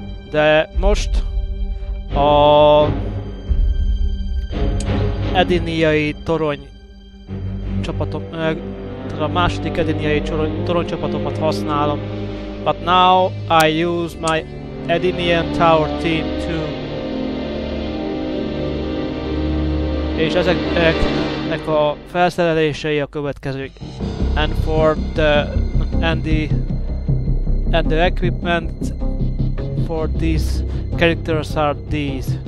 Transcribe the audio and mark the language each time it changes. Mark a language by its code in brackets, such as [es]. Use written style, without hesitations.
[hu] De most a Edinjai torony csapatom a második Edinjai torony csapatomat használom. [en] But now I use my Edinian Tower team too. [hu] És ezeknek a felszerelései a következők. [en] And for the and the equipment for these characters are these.